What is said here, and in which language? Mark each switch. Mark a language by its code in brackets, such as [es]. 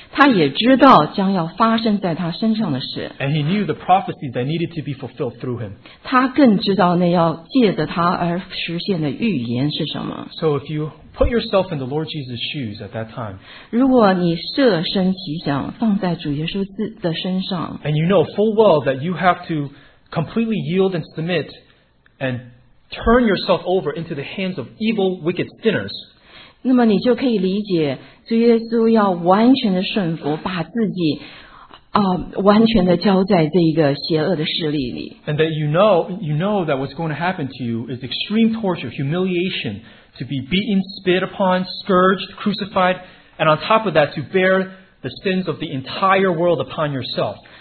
[zh] 他也知道将要发生在他身上的事。 [en] And he knew the prophecies that needed to be fulfilled through him. [zh] 他更知道那要借着他而实现的预言是什么。 [en] So if you put yourself in the Lord Jesus' shoes at that time, [zh] 如果你设身其想放在主耶稣的身上, [en] and you know full well that you have to completely yield and submit and turn yourself over into the hands of evil, wicked sinners, [zh] 那么你就可以理解主耶稣要完全的顺服，把自己 完全的交在这一个邪恶的势力里。 [en] And that you know that what's going to happen to you is extreme torture, humiliation, to be beaten, spit upon, scourged, crucified, and on top of that, to bear the sins of the entire world upon yourself.